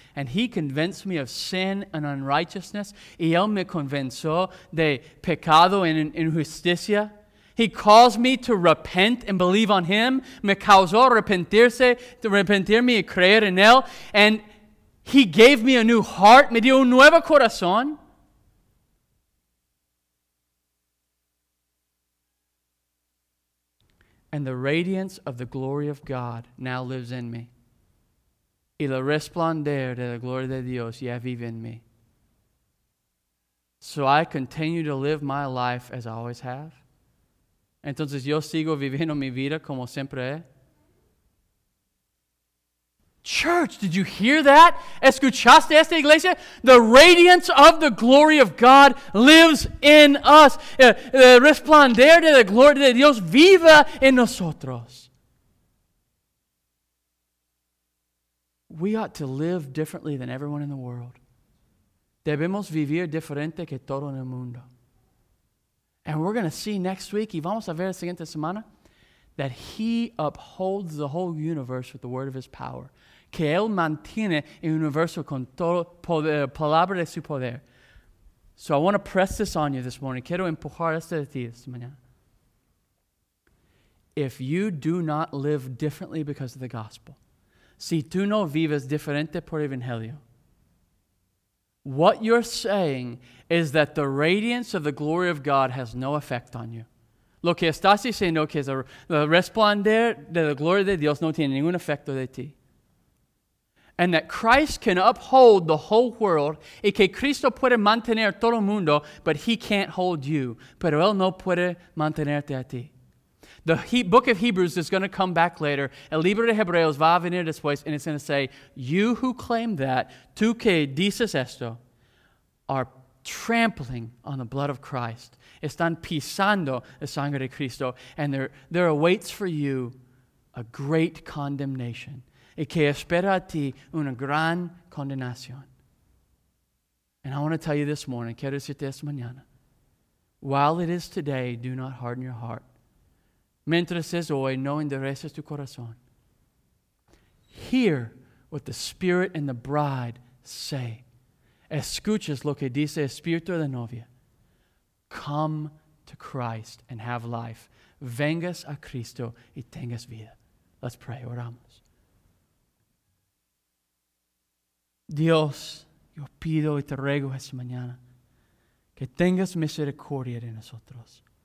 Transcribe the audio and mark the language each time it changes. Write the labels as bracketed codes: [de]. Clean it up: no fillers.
[en] And He convinced me of sin and unrighteousness. [es] Y Él me convenció de pecado y injusticia. [en] He caused me to repent and believe on Him. [es] Me causó arrepentirse, to arrepentirme y creer en Él. [en] And He gave me a new heart. [es] Me dio un nuevo corazón. [en] And the radiance of the glory of God now lives in me. [es] Y el resplandor de la gloria de Dios ya vive en mí. [en] So I continue to live my life as I always have. [es] Entonces yo sigo viviendo mi vida como siempre he. [en] Church, did you hear that? [es] ¿Escuchaste esta iglesia? [en] The radiance of the glory of God lives in us. [es] El resplandor de la gloria de Dios vive en nosotros. [en] We ought to live differently than everyone in the world. [es] Debemos vivir diferente que todo en el mundo. [en] And we're going to see next week, [es] y vamos a ver la siguiente semana, [en] that He upholds the whole universe with the word of His power. [es] Que Él mantiene el universo con todo poder, palabra de su poder. [en] So I want to press this on you this morning. [es] Quiero empujar esto de ti esta mañana. [en] If you do not live differently because of the gospel, [es] si tú no vives diferente por el evangelio, [en] what you're saying is that the radiance of the glory of God has no effect on you. [es] Lo que estás diciendo que es el resplandor de la gloria de Dios no tiene ningún efecto de ti. [en] And that Christ can uphold the whole world, [es] y que Cristo puede mantener todo el mundo, [en] but He can't hold you. [es] Pero Él no puede mantenerte a ti. [en] The book of Hebrews is going to come back later. [es] El libro de Hebreos va a venir después, [en] and it's going to say, you who claim that, [es] tú que dices esto, [en] are trampling on the blood of Christ. [es] Están pisando la sangre de Cristo, [en] and there awaits for you a great condemnation. [es] Y que espera a ti una gran condenación. [en] And I want to tell you this morning, [es] quiero decirte esta mañana, [en] while it is today, do not harden your heart. [es] Mientras es hoy, no endereces tu corazón. [en] Hear what the Spirit and the Bride say. [es] Escuchas lo que dice el Espíritu de la novia. [en] Come to Christ and have life. [es] Vengas a Cristo y tengas vida. [en] Let's pray. [es] Oramos. Dios, yo pido y te ruego esta mañana que tengas misericordia de nosotros.